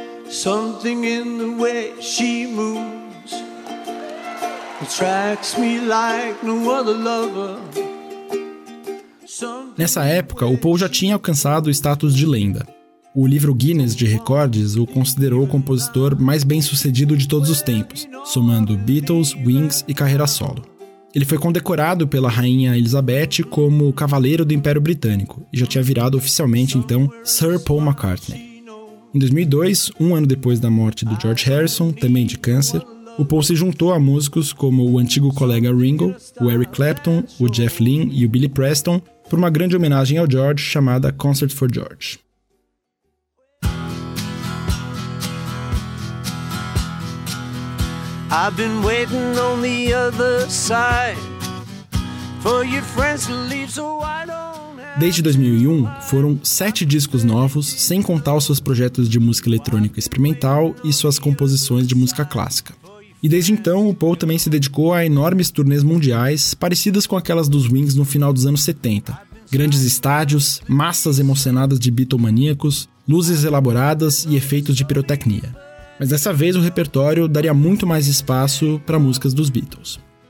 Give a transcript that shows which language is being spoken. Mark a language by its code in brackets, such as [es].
[en] Something in the way she moves attracts me like no other lover. [pt] Nessa época, o Paul já tinha alcançado o status de lenda. O livro Guinness de Recordes o considerou o compositor mais bem-sucedido de todos os tempos, somando Beatles, Wings e carreira solo. Ele foi condecorado pela Rainha Elizabeth como Cavaleiro do Império Britânico e já tinha virado oficialmente, então, Sir Paul McCartney. Em 2002, um ano depois da morte do George Harrison, também de câncer, o Paul se juntou a músicos como o antigo colega Ringo, o Eric Clapton, o Jeff Lynne e o Billy Preston por uma grande homenagem ao George chamada Concert for George. [en] I've been waiting on the other side for your friends to leave so I don't. [pt] Desde 2001, foram 7 discos novos, sem contar os seus projetos de música eletrônica experimental e suas composições de música clássica. E desde então, o Paul também se dedicou a enormes turnês mundiais, parecidas com aquelas dos Wings no final dos anos 70. Grandes estádios, massas emocionadas de bitomaníacos, luzes elaboradas e efeitos de pirotecnia. Mas dessa vez, o repertório daria muito mais espaço para músicas dos Beatles.